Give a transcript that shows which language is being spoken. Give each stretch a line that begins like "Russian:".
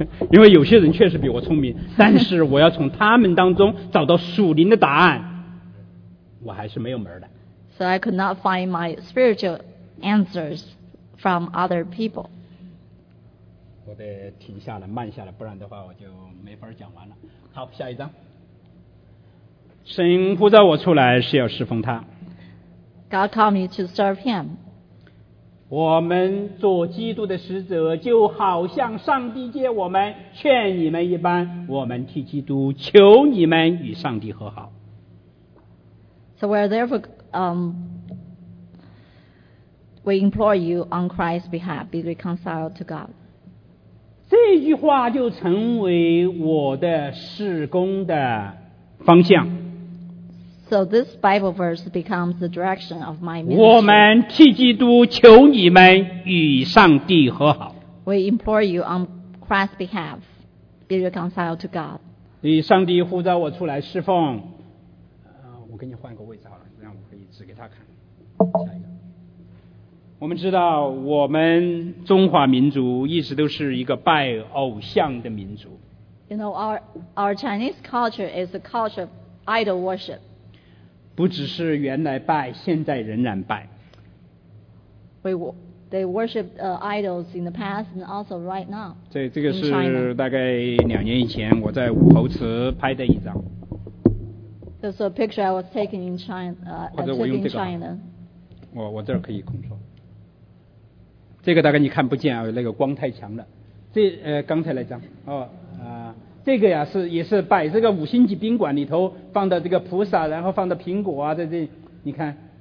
Chinese: 因为有些人确实比我聪明，但是我要从他们当中找到属灵的答案，我还是没有门的。
English: So I could not find my spiritual answers from other people.
Chinese: 我得停下来，慢下来，不然的话我就没法讲完了。好，下一章。神呼召我出来是要侍奉他。
English: God called me to serve him.
Chinese: 我们做基督的使者，就好像上帝借我们劝你们一般，我们替基督求你们与上帝和好。
English: So we're therefore, we implore you on Christ's behalf, be reconciled to God.
Chinese: 这句话就成为我的事工的方向。
English: So this Bible verse becomes the direction of my ministry.
Chinese: 我们替基督求你们与上帝和好。
English: We implore you on Christ's behalf, be reconciled to God.
Chinese: 你上帝呼召我出来侍奉。我给你换个位置好了，让我可以指给他看。下一个，我们知道我们中华民族一直都是一个拜偶像的民族。
English: You know, our Chinese culture is a culture of idol worship.
Chinese: 不只是原来拜，现在仍然拜。
English: They worship idols in the past and also right now.
Chinese: 这个是大概两年以前我在武侯祠拍的一张。
English: So a picture I was taking in China.
Chinese: 或者我用这个。我这儿可以控制。这个大概你看不见啊，那个光太强了。刚才那张这个呀也是摆这个五星级宾馆里头放的这个菩萨，然后放的苹果啊，在这你看。